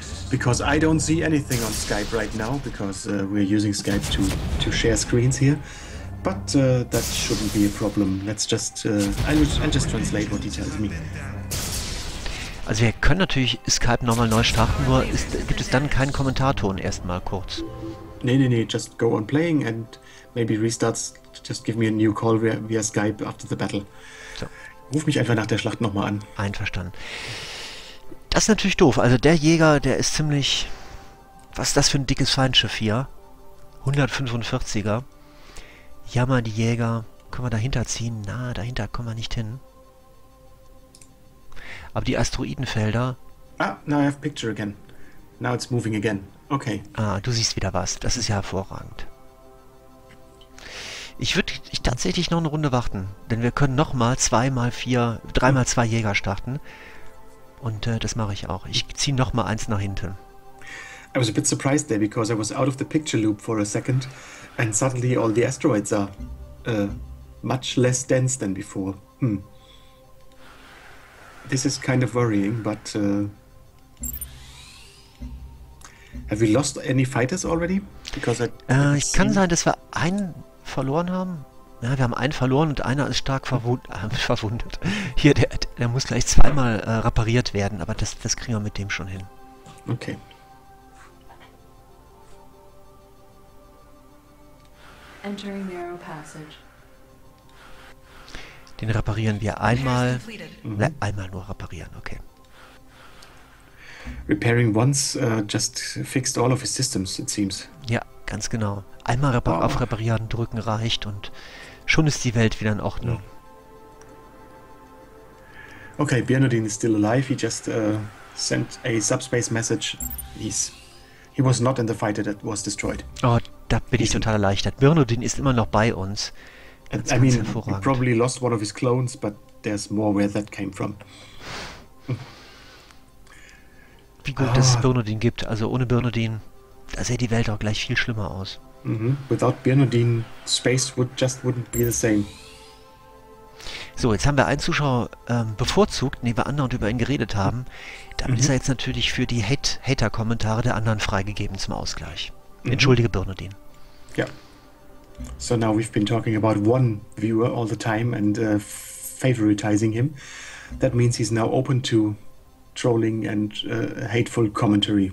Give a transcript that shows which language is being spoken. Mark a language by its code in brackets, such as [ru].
[en] Because I don't see anything on Skype right now, because we're using Skype to share screens here. But that shouldn't be a problem. Let's just I'll just translate what he tells me. [de] Also wir können natürlich Skype nochmal neu starten, nur gibt es dann keinen Kommentarton erstmal kurz. [en] Nee, just go on playing and maybe restarts, just give me a new call via Skype after the battle. [de] So. Ruf mich einfach nach der Schlacht nochmal an. Einverstanden. Das ist natürlich doof. Also der Jäger, der ist ziemlich. Was ist das für ein dickes Feindschiff hier? 145er. Jammer, die Jäger. Können wir dahinter ziehen? Na, dahinter kommen wir nicht hin. Aber die Asteroidenfelder... [en] Ah, now I have picture again. Now it's moving again. Okay. [de] Ah, du siehst wieder was. Das ist ja hervorragend. Ich würde tatsächlich noch eine Runde warten. Denn wir können nochmal 3x2 Jäger starten. Und das mache ich auch. Ich ziehe nochmal eins nach hinten. [en] I was a bit surprised there, because I was out of the picture loop for a second. And suddenly all the asteroids are much less dense than before. This is kind of worrying, but have we lost any fighters already? Because [de] es kann sein, dass wir einen verloren haben. Ja, wir haben einen verloren und einer ist stark verwundet. Hier, der muss gleich zweimal repariert werden, aber das kriegen wir mit dem schon hin. [en] Okay. Entering narrow passage. [de] Den reparieren wir einmal. Einmal nur reparieren, okay. [en] Repairing once just fixed all of his systems, it seems. [de] Ja, ganz genau. Einmal auf reparieren drücken reicht und schon ist die Welt wieder in Ordnung. [en] Okay, Bernardine is still alive. He just sent a subspace message. He was not in the fighter that was destroyed. [de] Oh, da bin ich total erleichtert. Bernardine ist immer noch bei uns. Ganz, ganz hervorragend. [en] He probably lost one of his clones, but there's more where that came from. [de] Wie gut, dass es Bernardin gibt. Also ohne Bernardin, da sähe die Welt auch gleich viel schlimmer aus. Mm-hmm. [en] Without Bernardin, space would just wouldn't be the same. [de] So, jetzt haben wir einen Zuschauer bevorzugt, den wir anderen und über ihn geredet haben. Damit ist er jetzt natürlich für die Hater-Kommentare der anderen freigegeben zum Ausgleich. Mm-hmm. Entschuldige, Bernardin. Ja. Yeah. [en] So now we've been talking about one viewer all the time and favoritizing him. That means he's now open to trolling and hateful commentary.